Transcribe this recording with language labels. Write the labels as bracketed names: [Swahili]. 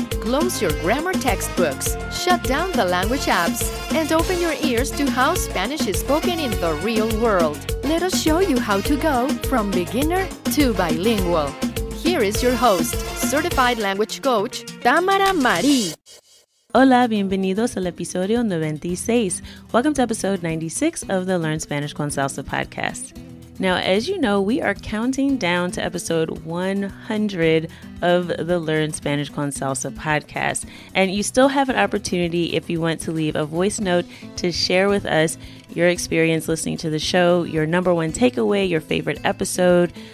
[English] Close your grammar textbooks, shut down the language apps, and open your ears to how Spanish is spoken in the real world. Let us show you how to go from beginner to bilingual. Here is your host, certified language coach, Tamara Marie. [Spanish] Hola, bienvenidos al episodio 96. [English] Welcome to episode 96 of the Learn Spanish con Salsa podcast. Now, as you know, we are counting down to episode 100 of the Learn Spanish con Salsa podcast. And you still have an opportunity if you want to leave a voice note to share with us your experience listening to the show, your number one takeaway, your favorite episode.